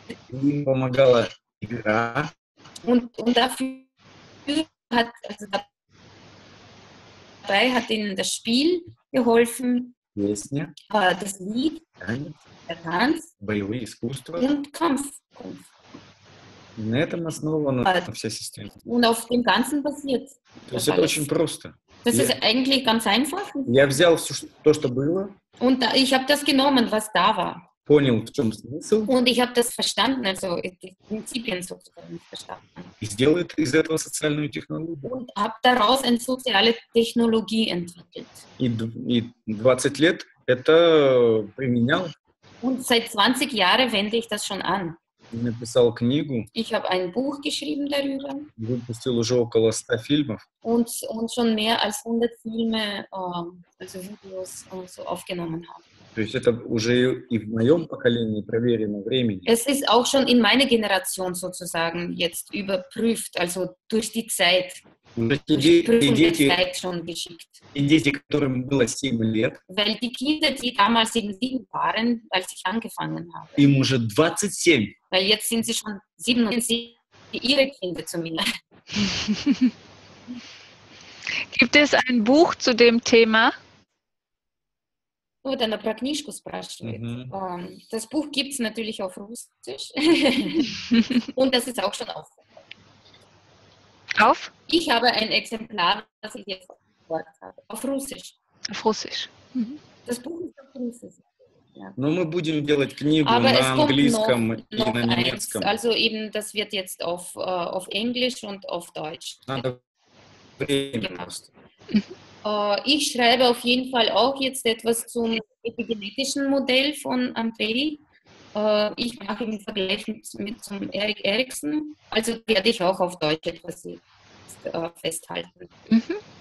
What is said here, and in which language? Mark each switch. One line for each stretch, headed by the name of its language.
German: Ihnen
Russian: помогала игра.
German: Und dafür hat, also dabei hat ihnen das Spiel geholfen.
Russian: Песня,
German: das Lied,
Russian: Tanz, боевые искусства
German: и Kampf.
Russian: На этом основана вся система.
German: Und auf dem Ganzen basiert.
Russian: То есть это очень просто.
German: Das ist eigentlich ganz einfach.
Russian: Я взял все, то, что было.
German: Und ich habe das genommen, was da war.
Russian: Понял, в чем смысл.
German: Und ich habe das verstanden, also die Prinzipien sozusagen verstanden.
Russian: И сделает из этого социальную технологию.
German: Und habe daraus eine soziale Technologie entwickelt.
Russian: И 20 лет это применял.
German: Und seit 20 Jahren wende ich das schon an.
Russian: Я написал книгу.
German: Ich habe ein Buch geschrieben darüber.
Russian: Выпустил уже около 100 фильмов.
German: Und schon mehr als 100 Filme, also Videos so aufgenommen habe.
Russian: То есть это уже и в моем поколении проверено времени.
German: Es ist auch schon in meiner Generation sozusagen jetzt überprüft, also durch die Zeit. Die Dieti,
Russian: которым было 7 лет.
German: Weil die Kinder, die damals 7 waren, als ich angefangen habe.
Russian: Им уже 27.
German: Weil jetzt sind sie schon 27, ihre Kinder zumindest. Gibt es ein Buch zu dem Thema?
Russian: Вот она про книжку спрашивает.
German: Das Buch gibt es natürlich auf Russisch. Und das ist auch schon auf. Auf? Ich habe ein Exemplar, das ich jetzt gehört habe. Auf Russisch. Auf Russisch. Das Buch ist auf Russisch.
Russian: Но мы будем делать книгу
German: Aber
Russian: на английском и на немецком.
German: Eins. Also eben, das wird jetzt auf Englisch und auf Deutsch.
Russian: Надо время просто.
German: Ich schreibe auf jeden Fall auch jetzt etwas zum epigenetischen Modell von Ampeli. Ich mache im Vergleich mit zum Erik Erikson. Also werde ich auch auf Deutsch etwas festhalten. Mhm.